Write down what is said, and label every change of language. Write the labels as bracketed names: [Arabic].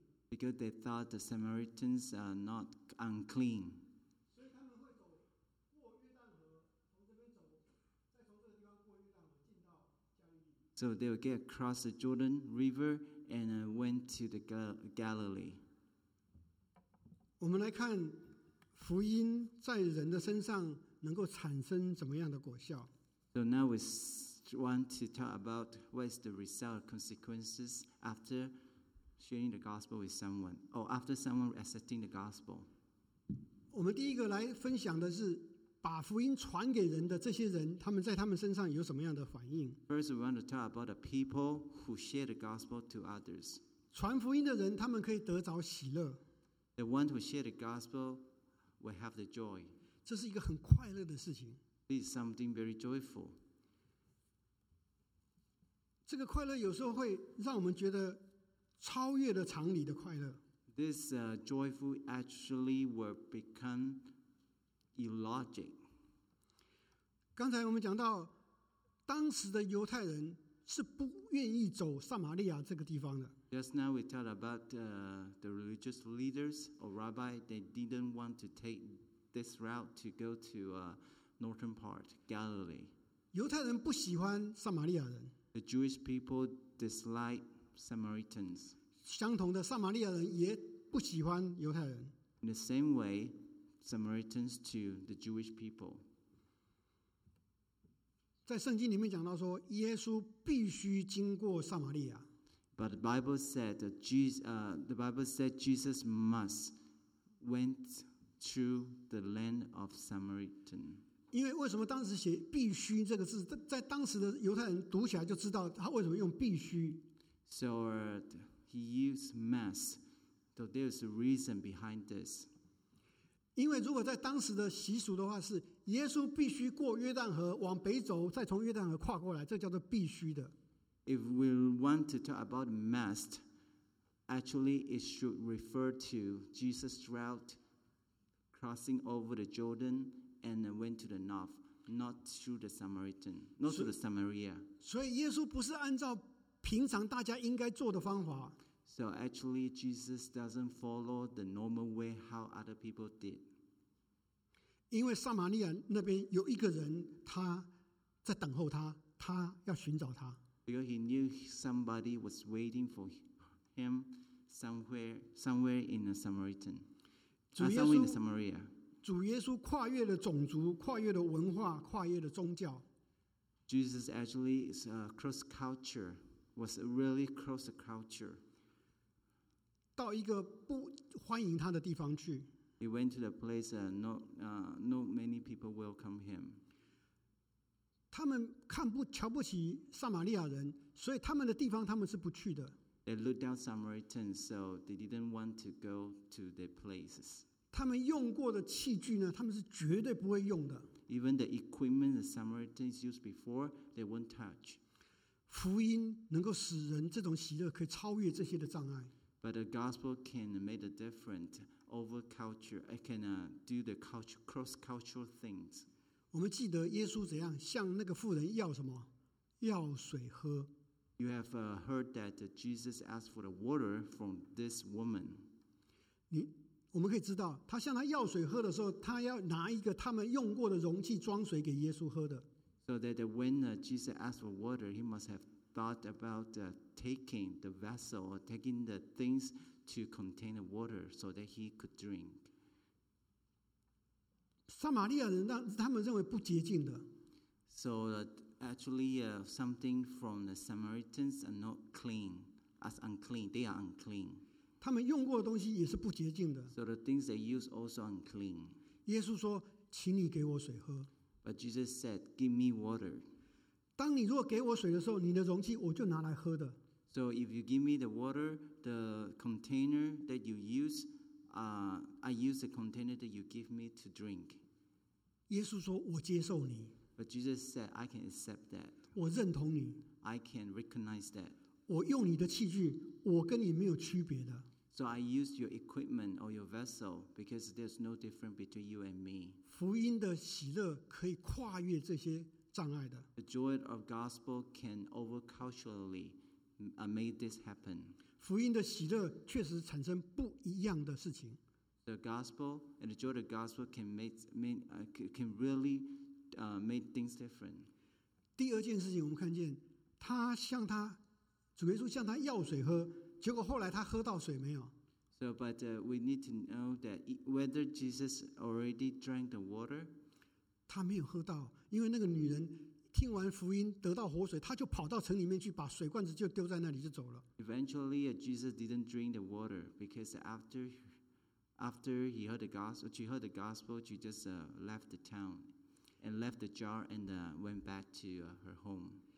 [English] Because they thought the Samaritans are not unclean. So they would get across the Jordan River and went to the Galilee. [Chinese] 我们来看福音在人的身上能够产生怎么样的果效。 [English] So now we want to talk about what is the result, consequences aftersharing the gospel with someone, or after someone accepting the gospel. [Chinese] 我们第一个来分享的是把福音传给人的这些人，他们在他们身上有什么样的反应。 [English] First, we want to talk about the people who share the gospel to others. [Chinese] 传福音的人，他们可以得着喜乐。 [English] The one who share the gospel will have the joy. [Chinese] 这是一个很快乐的事情。 [English] This is something very joyful. [Chinese] 这个快乐有时候会让我们觉得超越了常理的快乐。 [English] This joyful actually will become illogic. [Chinese] 刚才我们讲到当时的犹太人是不愿意走撒玛利亚这个地方的。 [English] Just now we talked about the religious leaders or rabbi, they didn't want to take this route to go to northern part, Galilee. [Chinese] 犹太人不喜欢撒玛利亚人。 [English] The Jewish people dislike Samaritans. [Chinese] 相同的，撒玛利亚人也不喜欢犹太人。 [English] In the same way, Samaritans to the Jewish people. [Chinese] 在圣经里面讲到说，耶稣必须经过撒玛利亚。 [English] But the Bible said that Jesus must went through the land of Samaritan. [Chinese] 因为什么当时写必须这个字，在当时的犹太人读起来就知道他为什么用必须。 [English] So he used mass. So there is a reason behind this. [Chinese] 因为如果在当时的习俗的话，是耶稣必须过约旦河往北走，再从约旦河跨过来，这叫做必须的。 [English] If we want to talk about must, actually it should refer to Jesus' route crossing over the Jordan and went to the north, not through the Samaritan, not through the Samaria. [Chinese] 所以耶稣不是按照平常大家应该做的方法。 [English] So actually, Jesus doesn't follow the normal way how other people did. [Chinese] 因为撒玛利亚那边有一个人，他在等候他，他要寻找他。 [English] Because he knew somebody was waiting for him somewhere in the Samaritan. [Chinese] 主耶稣 [English] in the Samaria. [Chinese] 主耶稣跨越了种族，跨越了文化，跨越了宗教。 [English] Jesus actually is a cross culture, was a really cross culture. [Chinese] 到一个不欢迎他的地方去。 [English] He went to the place not many people welcome him. [Chinese] 他们瞧不起撒玛利亚人，所以他们的地方他们是不去的。 [English] They looked down Samaritans, so they didn't want to go to their places. [Chinese] 他们用过的器具呢，他们是绝对不会用的。 [English] Even the equipment the Samaritans used before, they won't touch. [Chinese] 福音能够使人这种喜乐可以超越这些的障碍。 [English] But the gospel can make a difference over culture. It can do the culture, cross-cultural things. [Chinese] 我们记得耶稣怎样向那个妇人要什么？要水喝。 [English] You have heard that Jesus asked for the water from this woman. [Chinese] 我们可以知道，他向他要水喝的时候，他要拿一个他们用过的容器装水给耶稣喝的。 [English] So that when Jesus asked for water, he must have thought about taking the vessel or taking the things to contain the water so that he could drink. [Chinese] 撒玛利亚人他们认为不洁净的。 [English] So actually, something from the Samaritans are not clean, as unclean. They are unclean. [Chinese] 他们用过的东西也是不洁净的。 [English] So the things they use also unclean. [Chinese] 耶稣说，请你给我水喝。 [English] But Jesus said, "Give me water." [Chinese] 当你如果给我水的时候，你的容器我就拿来喝的。 [English] So if you give me the water, the container that you use, I use the container that you give me to drink. [Chinese] 耶稣说，我接受你。 [English] But Jesus said, I can accept that. [Chinese] 我认同你。 [English] I can recognize that. [Chinese] 我用你的器具，我跟你没有区别的。 [English] So I use your equipment or your vessel because there's no difference between you and me. [Chinese] 福音的喜乐可以跨越这些。障碍的。 [English] The joy of gospel can over culturally make this happen. [Chinese] 福音的喜乐确实产生不一样的事情。 [English] The gospel and the joy of gospel can really make things different. [Chinese] 第二件事情，我们看见他向他主耶稣向他要水喝，结果后来他喝到水没有 [English] ？So, but we need to know that whether Jesus already drank the water. [Chinese] 他没有喝到，因为那个女人听完福音得到活水，她就跑到城里面去，把水罐子就丢在那里就走了。 [English] Eventually, Jesus didn't drink the water because after he heard the gospel, she heard the gospel, she just left the town and left the jar and went back to her home.